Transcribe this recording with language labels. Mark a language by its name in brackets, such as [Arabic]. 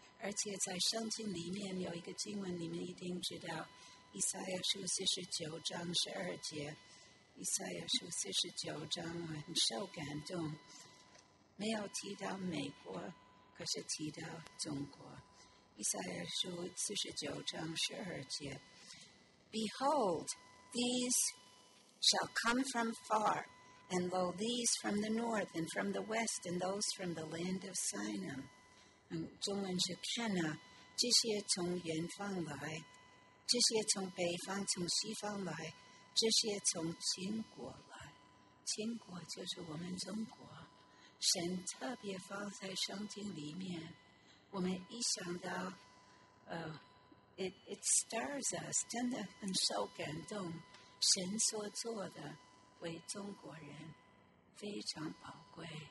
[Chinese] 而且在圣经里面有一个经文你们一定知道，以赛亚书49:12，以赛亚书49，我很受感动，没有提到美国，可是提到中国。以赛亚书49:12， [English] Behold, these shall come from far, and lo, these from the north and from the west, and those from the land of Sinai. [Chinese] 中文是看啊，这些从远方来，这些从北方从西方来，这些从秦国来，秦国就是我们中国。神特别放在圣经里面，我们一想到 [English] it stirs us, [Chinese] 真的很受感动，神所做的为中国人非常宝贵。